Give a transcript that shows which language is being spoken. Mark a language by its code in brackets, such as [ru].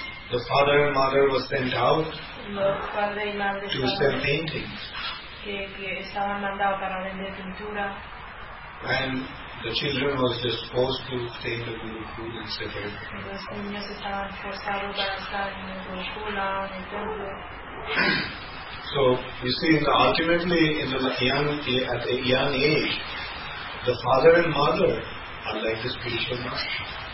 [en] The father and mother were sent out to sell paintings. [es] Que estaban mandados para vender pintura. [en] And the children was just forced to stay in the Gurukul and separate. [es] Los niños estaban forzados para estar en el Gurukul, en el templo. [en] So you see, ultimately, at a young age, the father and mother are like the spiritual master.